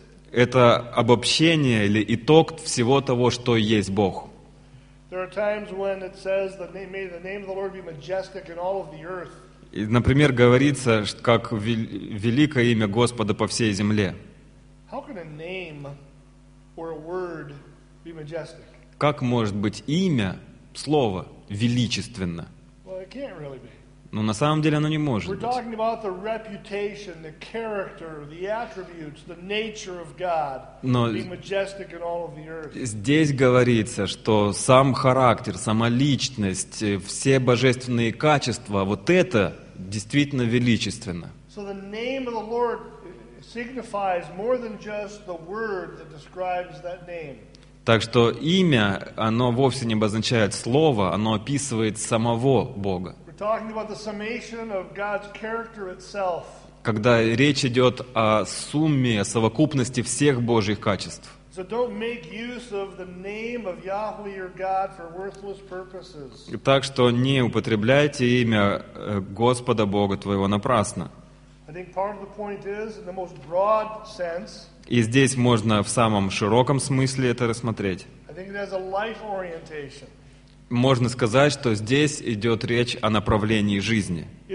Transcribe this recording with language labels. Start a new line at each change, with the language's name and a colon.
Russian: Это обобщение или итог всего того, что есть Бог.
English: There are times when it says that may the name of the Lord be majestic in all of the earth.
Russian: И, например, говорится, как великое имя Господа по всей земле.
English: How can a name or a word be majestic?
Russian: Как может быть имя, слово, величественно?
English: Well, it can't really be.
Russian: Но на самом деле оно не может быть.
English: We're talking about the reputation, the character, the attributes, the nature of God being majestic in all of the earth.
Russian: Здесь говорится, что сам характер, сама личность, все божественные качества, вот это действительно величественно.
English: So the name of the Lord signifies more than just the word that describes that name.
Russian: Так что имя, оно вовсе не обозначает слово, оно описывает самого Бога.
English: Talking about the summation of God's character itself.
Russian: Когда речь идет о сумме, о совокупности всех Божьих качеств.
English: So don't make use of the name of Yahweh your God for worthless purposes.
Russian: Так что не употребляйте имя Господа Бога твоего напрасно.
English: I think part of the point is, in the most broad sense.
Russian: И здесь можно в самом широком смысле это рассмотреть.
English: I think it has a life orientation.
Russian: Можно сказать, что здесь идет речь о направлении жизни.